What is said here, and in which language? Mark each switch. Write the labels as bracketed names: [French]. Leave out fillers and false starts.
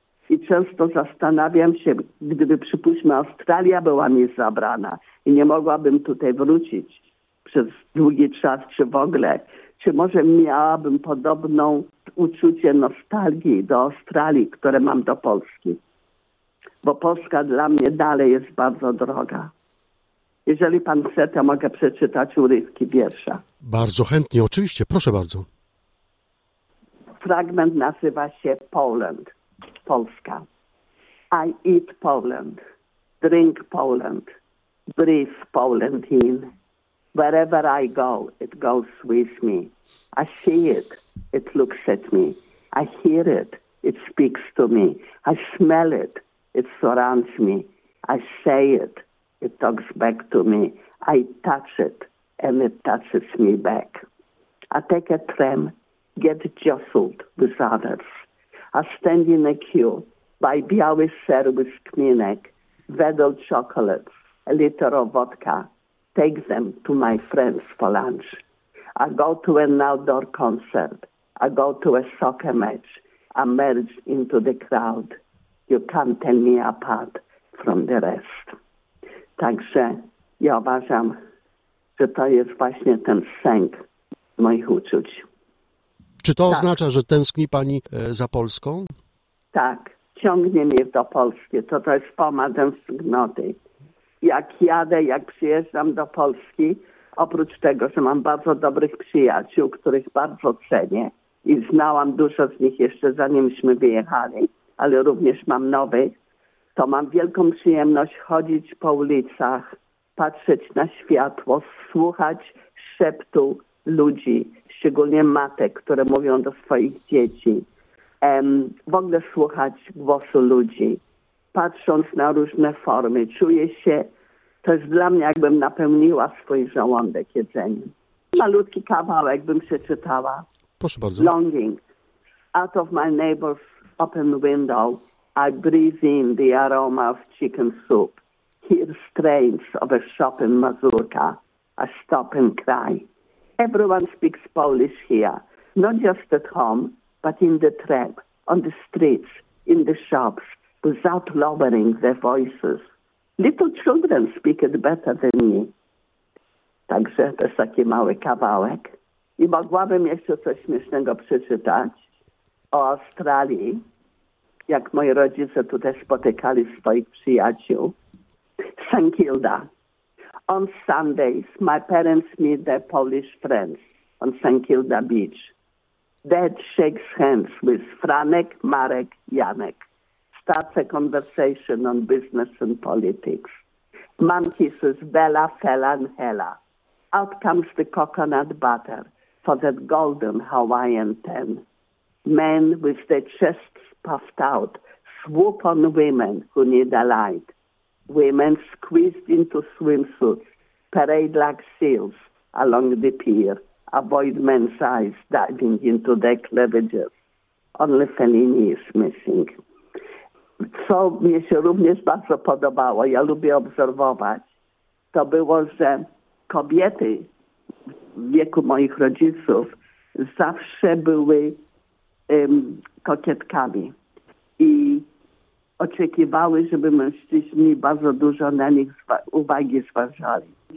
[Polish] I często zastanawiam się, gdyby przypuśćmy Australia była mi zabrana i nie mogłabym tutaj wrócić przez długi czas, czy w ogóle, czy może miałabym podobną uczucie nostalgii do Australii, które mam do Polski. Bo Polska dla mnie dalej jest bardzo droga. Jeżeli pan chce, to mogę przeczytać urywki wiersza. Bardzo chętnie, oczywiście. Proszę bardzo. Fragment nazywa się Poland, Polska. [English] I eat Poland, drink Poland, breathe Poland in. Wherever I go, it goes with me. I see it, it looks at me. I hear it speaks to me. I smell it, it surrounds me. I say it, it talks back to me. I touch it, and it touches me back. I take a tram, get jostled with others. I stand in a queue, buy biały ser with kminek, Wedel chocolates, a liter of vodka. Take them to my friends for lunch. I go to an outdoor concert. I go to a soccer match. I merge into the crowd. You can't tell me apart from the rest. [Polish] Także ja uważam, że to jest właśnie ten sęk moich uczuć. Czy to tak oznacza, że tęskni pani za Polską? Tak. Ciągnie mnie do Polski. To jest poma tęsknoty. Jak jadę, jak przyjeżdżam do Polski, oprócz tego, że mam bardzo dobrych przyjaciół, których bardzo cenię i znałam dużo z nich jeszcze zanimśmy wyjechali, ale również mam nowych, to mam wielką przyjemność chodzić po ulicach, patrzeć na światło, słuchać szeptu ludzi, szczególnie matek, które mówią do swoich dzieci. W ogóle słuchać głosu ludzi. Patrząc na różne formy, czuję się, to jest dla mnie, jakbym napełniła swój żołądek jedzeniem. Malutki kawałek bym przeczytała. Proszę bardzo. [English] Longing. Out of my neighbor's open window, I breathe in the aroma of chicken soup. Hear strains of a shop in Mazurka. I stop and cry. Everyone speaks Polish here. Not just at home, but in the tram, on the streets, in the shops. Without lowering their voices. Little children speak it better than me. [Polish] Także to jest taki mały kawałek. I mogłabym jeszcze coś śmiesznego przeczytać o Australii, jak moi rodzice tutaj spotykali swoich przyjaciół. [English] St. Kilda. On Sundays, my parents meet their Polish friends on St. Kilda Beach. Dad shakes hands with Franek, Marek, Janek. Starts a conversation on business and politics. Mom kisses Bella, Fella, and Hella. Out comes the coconut butter for that golden Hawaiian tan. Men with their chests puffed out swoop on women who need a light. Women squeezed into swimsuits parade like seals along the pier, avoid men's eyes diving into their cleavages. Only Fellini is missing. [Polish] Co mnie się również bardzo podobało, ja lubię obserwować, to było, że kobiety w wieku moich rodziców zawsze były kokietkami i oczekiwały, żeby mężczyźni bardzo dużo na nich uwagi zważali.